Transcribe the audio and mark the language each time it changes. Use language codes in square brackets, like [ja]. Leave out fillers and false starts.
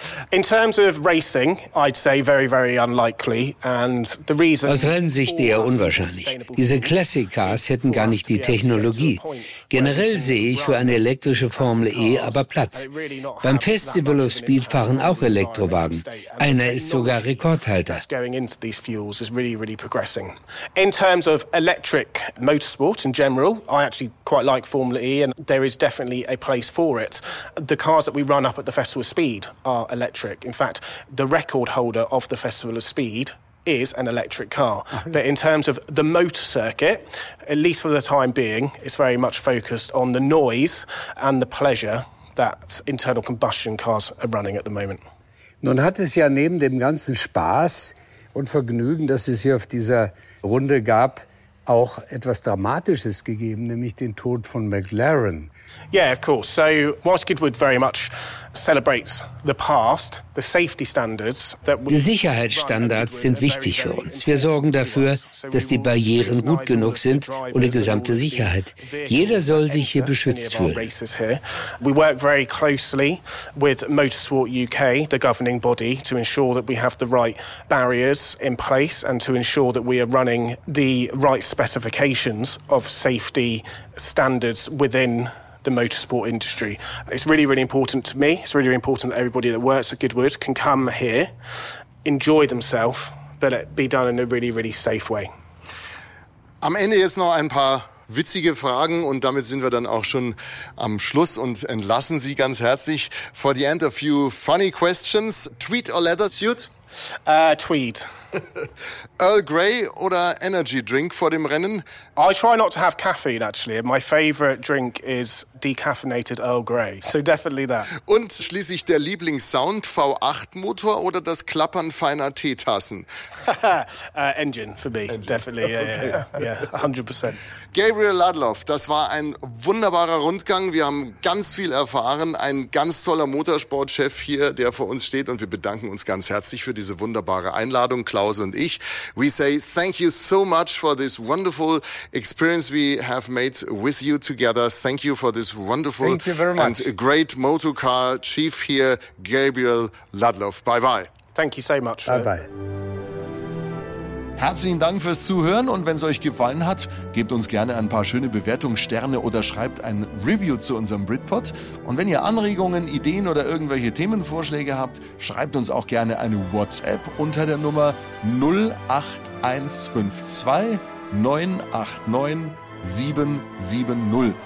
[en] In terms of racing, I'd say very, very unlikely. And the reason. [de] Aus Rennsicht eher unwahrscheinlich. Diese Classic-Cars hätten gar nicht die Technologie. Generell sehe ich für eine elektrische Formel E aber Platz. Beim Festival of Speed fahren auch Elektrowagen. Einer ist sogar Rekordhalter. [en] Going into these fuels is really, really progressing. In terms of electric motorsport in general, I actually quite like Formula E and there is definitely a place for it. The cars that we run up at the Festival of Speed are electric. In fact, the record holder of the Festival of Speed is an electric car. But in terms of the motor circuit, at least for the time being, it's very much focused on the noise and the pleasure that internal combustion cars are running at the moment. [de] Nun hat es ja neben dem ganzen Spaß und Vergnügen, das es hier auf dieser Runde gab, auch etwas Dramatisches gegeben, nämlich den Tod von McLaren. [en] Yeah, of course. So, whilst Goodwood very much celebrates the past, the safety standards that [de] we. Die Sicherheitsstandards sind wichtig für uns. Wir sorgen dafür, dass die Barrieren gut genug sind und die gesamte Sicherheit. Jeder soll sich hier beschützt fühlen. [en] We work very closely with Motorsport UK, the governing body, to ensure that we have the right barriers in place and to ensure that we are running the right specifications of safety standards within the motorsport industry. It's really, really important to me. It's really, really important that everybody that works at Goodwood can come here, enjoy themselves, but it be done in a really, really safe way. [de] Am Ende jetzt noch ein paar witzige Fragen und damit sind wir dann auch schon am Schluss und entlassen Sie ganz herzlich. [en] For the end, a few funny questions. Tweed or leather suit? Tweed. [de] Earl Grey oder Energy Drink vor dem Rennen? [en] I try not to have caffeine, actually. My favorite drink is decaffeinated Earl Grey. So definitely that. [de] Und schließlich der Lieblingssound, V8-Motor oder das Klappern feiner Teetassen? [en] Engine for me, Engine. Definitely. Yeah, okay. Yeah, 100%. [de] Gabriel Ludloff, das war ein wunderbarer Rundgang. Wir haben ganz viel erfahren. Ein ganz toller Motorsportchef hier, der vor uns steht. Und wir bedanken uns ganz herzlich für diese wunderbare Einladung, Klaus und ich. [en] We say thank you so much for this wonderful experience we have made with you together. Thank you for this wonderful and great motorcar chief here, Gabriel Ludloff. Bye-bye. Thank you so much. Bye-bye. [de] Herzlichen Dank fürs Zuhören und wenn es euch gefallen hat, gebt uns gerne ein paar schöne Bewertungssterne oder schreibt ein Review zu unserem Britpod. Und wenn ihr Anregungen, Ideen oder irgendwelche Themenvorschläge habt, schreibt uns auch gerne eine WhatsApp unter der Nummer 08152 989 770.